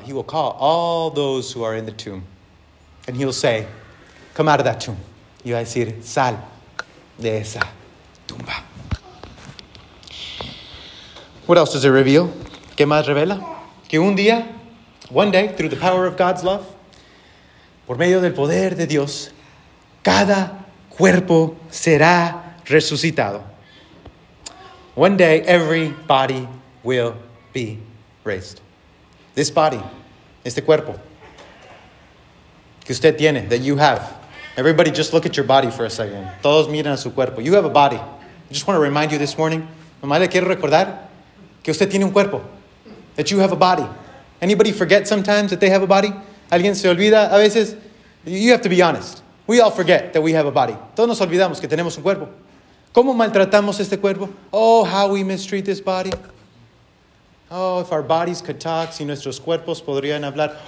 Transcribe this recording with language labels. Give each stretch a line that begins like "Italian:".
English: He will call all those who are in the tomb. And he'll say, come out of that tomb.
Spanish: Y va a decir, sal de esa tumba.
English: What else does it reveal?
Spanish: ¿Qué más revela? Que un día,
English: one day, through the power of God's love,
Spanish: por medio del poder de Dios, cada cuerpo será resucitado.
English: One day, every body will be raised. This body,
Spanish: este cuerpo que usted tiene,
English: that you have. Everybody just look at your body for a second.
Spanish: Todos miran a su cuerpo.
English: You have a body. I just want to remind you this morning.
Spanish: Mamá, le quiero recordar que usted tiene un cuerpo.
English: That you have a body. Anybody forget sometimes that they have a body?
Spanish: ¿Alguien se olvida a veces?
English: You have to be honest. We all forget that we have a body.
Spanish: Todos nos olvidamos que tenemos un cuerpo. ¿Cómo maltratamos este cuerpo?
English: Oh, how we mistreat this body. Oh, if our bodies could talk,
Spanish: si nuestros cuerpos podrían hablar.